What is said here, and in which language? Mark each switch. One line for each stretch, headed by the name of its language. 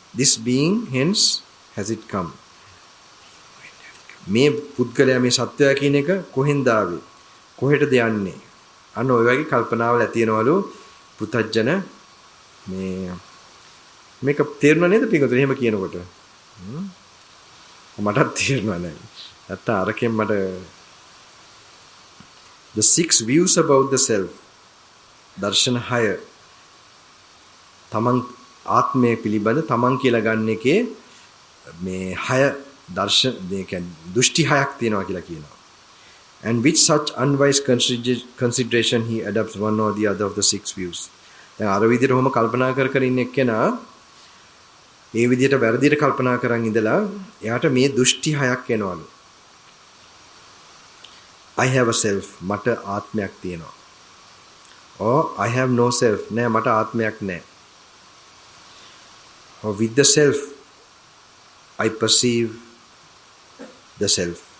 English: This being hence has it come.
Sinhala: මේ පුද්ගලයා මේ සත්වයා කියන එක කොහෙන්ද ආවේ? කොහෙටද යන්නේ? අන්න ඔය වගේ කල්පනාවල ඇතිනවලු පුතජන මේ මේක තේරුණ නේද පිඟුතුනි එහෙම කියනකොට? මටත් තේරුණා නෑ. නැත්ත අරකෙන් මට
English: The six views about the self.
Sinhala: දර්ශන 6. තමන් ආත්මය පිළිබඳ තමන් කියලා ගන්න එකේ මේ හය දර්ශන මේ කියන්නේ දෘෂ්ටි හයක් තියෙනවා කියලා කියනවා.
English: And which such unwise consideration he adopts one or the other of the six views.
Sinhala: දැන් අර විදිහට ඔහොම කල්පනා කර කර ඉන්න එක්කෙනා මේ විදිහට වැරදියට කල්පනා කරන් ඉඳලා එයාට මේ දෘෂ්ටි හයක් එනවලු.
English: I have a self,
Sinhala: මට ආත්මයක් තියෙනවා.
English: Or I have no self,
Sinhala: නෑ මට ආත්මයක් නෑ.
English: Or with the self, I perceive the self.